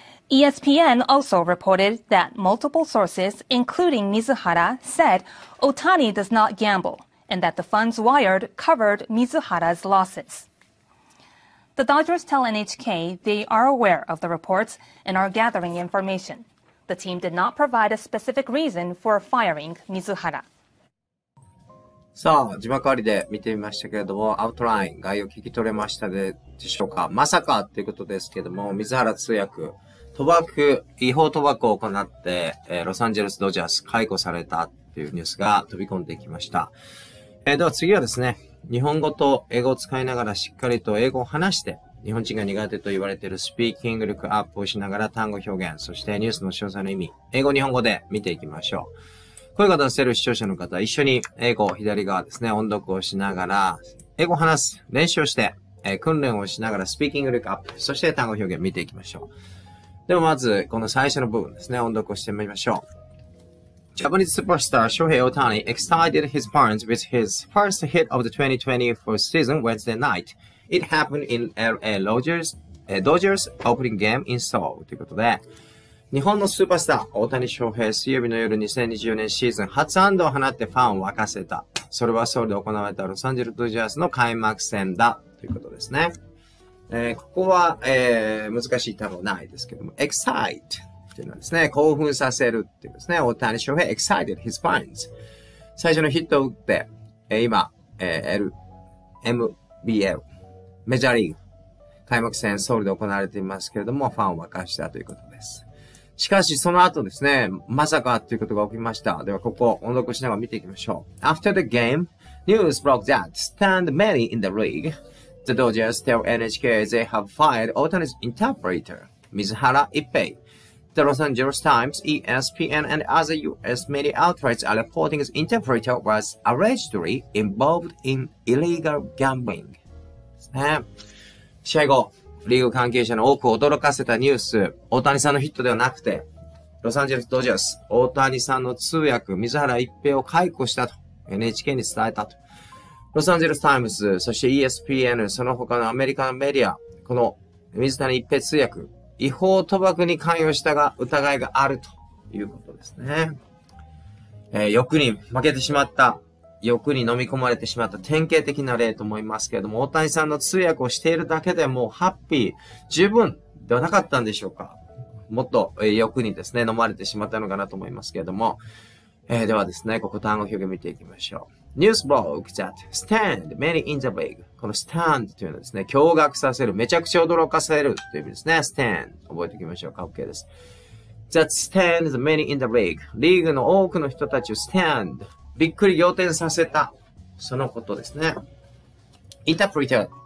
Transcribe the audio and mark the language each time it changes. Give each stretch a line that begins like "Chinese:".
English: ESPN also reported that multiple sources, including Mizuhara, said Ohtani does not gamble and that the funds wired covered Mizuhara's losses. The Dodgers tell NHK they are aware of the reports and are gathering information. The team did not provide a specific reason for firing Mizuhara.
Japanese: さあ、字幕ありで見てみましたけれども、アウトライン、概要聞き取れましたでしょうか。まさかということですけれども、水原通訳、違法賭博を行って、ロサンゼルスドジャース解雇されたというニュースが飛び込んできました。では次はですね、日本語と英語を使いながらしっかりと英語を話して、日本人が苦手と言われているスピーキング力アップをしながら単語表現、そしてニュースの詳細の意味、英語日本語で見ていきましょう。声が出せる視聴者の方、一緒に英語を左側ですね、音読をしながら、英語を話す、練習をして、訓練をしながらスピーキング力アップ、そして単語表現を見ていきましょう。ではまず、この最初の部分ですね、音読をしてみましょう。
English: Japanese superstar Shohei Ohtani excited his fans with his first hit of the 2024 season Wednesday night. It happened in LA Dodgers opening game in Seoul.
Japanese: ということで、日本のスーパースター大谷翔平、水曜日の夜、2024年シーズン初安打を放ってファンを沸かせた。それはソウルで行われたロサンゼルスドジャースの開幕戦だということですね。ここは、難しい多分ないですけども、excite っていうのはですね、興奮させるっていうですね、大谷翔平
English: excited his fans。
Japanese: 最初のヒットを打って、今、LMBL メジャーリーグ開幕戦ソウルで行われていますけれども、ファンを沸かしたということです。しかしその後ですね、まさかということが起きました。ではここを音読しながら見ていきましょう。
English: After the game, news broke that Stan Mane in the league. The Dodgers tell NHK they have fired Otani's interpreter, Mizuhara Ippei. The Los Angeles Times, ESPN and other US media outlets are reporting his interpreter was allegedly involved in illegal gambling.
Japanese: ですね。試合後、リーグ関係者の多くを驚かせたニュース、大谷さんのヒットではなくて、ロサンゼルスドジャース、大谷さんの通訳、水原一平を解雇したと、NHK に伝えたと。ロサンゼルスタイムズ、そして ESPN、その他のアメリカのメディア、この水谷一平通訳、違法賭博に関与したが、疑いがあるということですね。欲に負けてしまった。欲に飲み込まれてしまった典型的な例と思いますけれども、大谷さんの通訳をしているだけでもうハッピー十分ではなかったんでしょうか。もっと欲にですね、飲まれてしまったのかなと思いますけれども、ではですね、ここ単語表現見ていきましょう。
English: News broke that stand many in the league。
Japanese: この stand というのはですね、驚愕させる、めちゃくちゃ驚かせるという意味ですね。
English: stand
Japanese: 覚えておきましょうか。
English: OK です。That stand many in the league。
Japanese: リーグの多くの人たちを standびっくり仰天させた。そのことですね。interpreter。